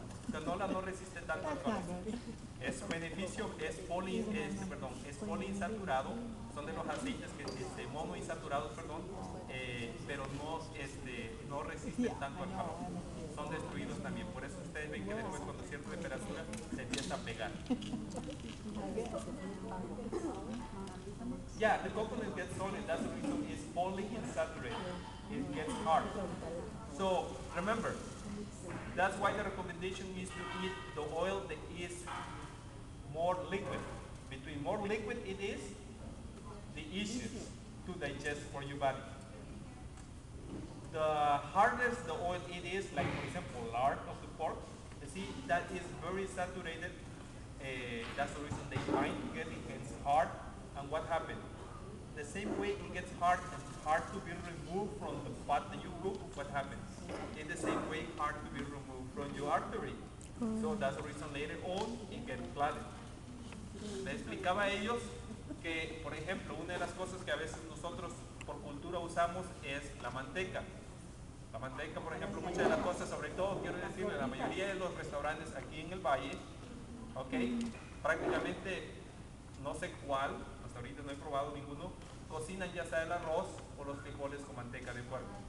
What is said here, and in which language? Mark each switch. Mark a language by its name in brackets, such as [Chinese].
[Spanish] Canola no resiste tanto al calor. Es beneficio, es poliinsaturado, son de los aceites que monoinsaturados, pero no resisten tanto al calor. Son destruidos también, por eso ustedes ven que después cuando cierta temperatura se empieza a pegar. [English] Yeah, the coconut gets solid, that's the reason it's polyunsaturated. It gets hard. So remember, that's why the recommendation is to eat the oil that is more liquid. Between more liquid it is, the easier to digest for your body. The hardest the oil it is, like for example lard of the pork, you see that is very saturated. That's the reason they grind together, it gets hard. And what happened? The same way it gets hard and hard to be removed from the pot that you cook, what happens? In the same way, hard to be removed from your artery. So that's the reason later on it gets clotted. [Spanish] Le explicaba a ellos que, por ejemplo, una de las cosas que a veces nosotros por cultura usamos es la manteca. La manteca, por ejemplo, muchas de las cosas, sobre todo, quiero decirle, la mayoría de los restaurantes aquí en el Valle, ok, prácticamente, no sé cuál, hasta ahorita no he probado ninguno, cocinan ya sea el arroz o los frijoles con manteca de puerco.